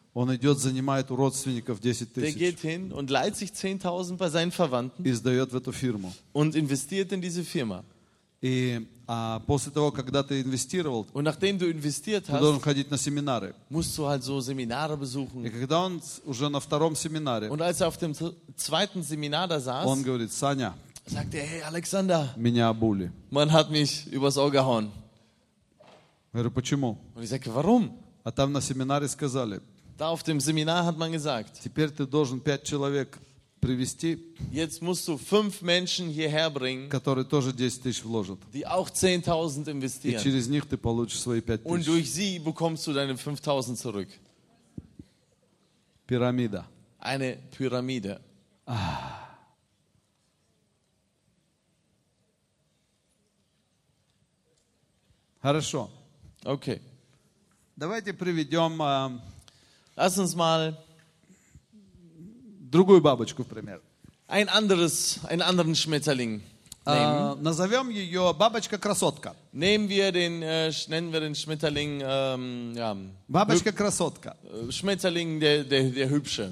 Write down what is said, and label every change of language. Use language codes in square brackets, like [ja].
[ru] Он идет, занимает у родственников 10.000. [de] Der geht hin und leiht sich 10.000 bei seinen Verwandten. [ru] И сдает в эту фирму. [de] Und investiert in diese Firma. [ru] И после того, когда ты инвестировал, [de] und nachdem du investiert hast, [ru] ты должен ходить на семинары. [de] Musst du halt so Seminare besuchen. [ru] И когда он уже на втором семинаре, [de] und als er auf dem zweiten Seminar da saß, [ru] он говорит, Саня, [de] sagt er, hey Alexander, [ru] меня обули. [de] Man hat mich übers Ohr gehauen. [ru] Я говорю, почему? [de] Und ich sage, warum? [ru] А там на семинаре сказали, [de] da auf dem Seminar hat man gesagt, [ru] теперь ты должен 5 человек привести, [de] jetzt musst du 5 Menschen hierher bringen, [ru] которые тоже 10.000 вложат, [de] die auch 10.000 investieren. [ru] И через них ты получишь свои 5.000. [de] Und durch sie bekommst du deine 5.000 zurück. Pyramide. Eine Pyramide. [ru] Хорошо. [de] Okay. [ru] Давайте приведем... [de] Lass uns mal [ru] другую бабочку, например. [de] Einen anderen Schmetterling nehmen. [ru] Назовем ее бабочка-красотка. [de] Nennen wir den Schmetterling ja, [ru] бабочка-красотка. [de] Schmetterling, der Hübsche.